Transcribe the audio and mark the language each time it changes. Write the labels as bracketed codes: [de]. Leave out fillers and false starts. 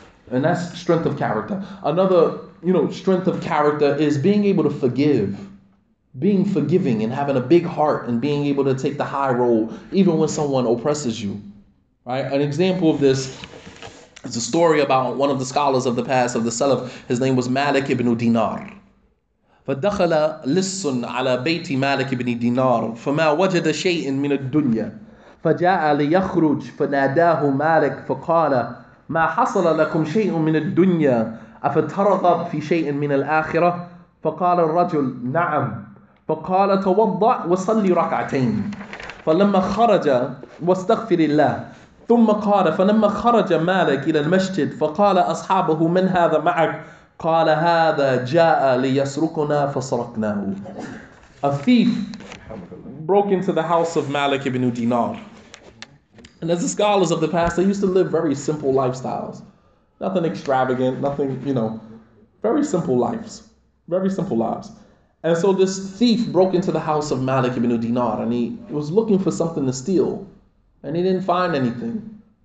[en] And that's strength of character. Another, strength of character is being able to forgive, being forgiving and having a big heart and being able to take the high road, even when someone oppresses you, right? An example of this is a story about one of the scholars of the past of the Salaf. His name was Malik ibn Dinar. [ar] فَدَخَلَ لِسٌ عَلَى بَيْتِ مَالِكِ بْنِ دِنَارٍ فَمَا وَجَدَ شَيْءٍ مِنَ الدُّنْيَا فَجَاءَ لِيَخْرُجْ فَنَادَاهُ مَالِكْ فَقَالَ ما حصل لكم شيء من الدنيا أفترغب في شيء من الآخرة فقال الرجل نعم فقال توضأ وصلي ركعتين فلما خرج واستغفر الله ثم قال فلما خرج مالك إلى المسجد فقال أصحابه من هذا معك قال هذا جاء ليسرقنا فسرقناه. [en] A thief broke into the house of Malik ibn Dinar. And as the scholars of the past, they used to live very simple lifestyles. Nothing extravagant, nothing, very simple lives. Very simple lives. And so this thief broke into the house of Malik ibn Dinar, and he was looking for something to steal, and he didn't find anything.